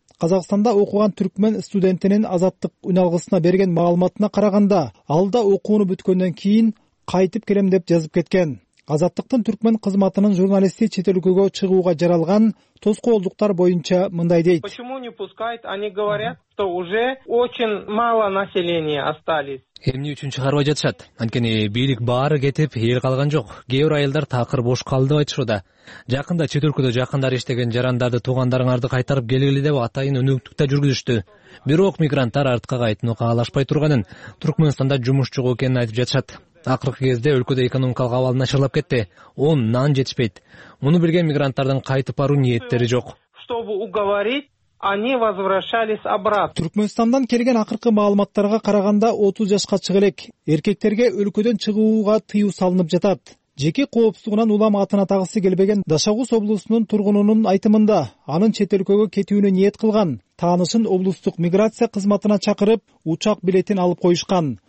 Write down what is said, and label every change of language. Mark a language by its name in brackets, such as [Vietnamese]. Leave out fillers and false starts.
[Kyrgyz] Казакстанда окуган түркмөн студентинин азаттык үналгысына берген маалыматына караганда, ал да окууну бүткөндөн кийин кайтып келем деп жазып кеткен. Азаттыктын түркмөн кызматынын журналисти чет өлкөгө чыгууга жаралган тоскоолдуктар боюнча мындай дейт. [Russian] Почему не пускают? Они говорят, что уже очень мало населения остались. [Kyrgyz] Эмне үчүн чыгарбай жатышат? Анткени бийлик баары кетип, эл калган жок. Кээ бир айылдар такыр бош калды деп айтышууда. Жакында чет өлкөдө жакындары иштеген жарандарды туугандарыңарды кайтарып келгиле деп атайын өнөктүктө жүргүзүштү. Бирок мигранттар артка кайтууну каалашпай турганын, Түркмөнстанда жумушчугу экенин айтып жатышат. Акыркы кезде өлкөдө экономикалык абал начарлап кетти. Он нан жетишпейт. Муну билген мигранттардын кайтып баруу ниеттери жок. [Russian] Чтобы уговорить, они возвращались обратно. [Kyrgyz] Түркмөнстандан келген акыркы маалыматтарга караганда 30 жашка чыга элек эркектерге өлкөдөн чыгууга тыюу салынып жатат. Жеке коопсуздугунан улам атын атагысы келбеген Дашагус облусунун тургунунун айтымында анын чет өлкөгө кетүүнү ниет кылган таанышын облустук миграция кызматына чакырып, учак билетин алып коюшкан.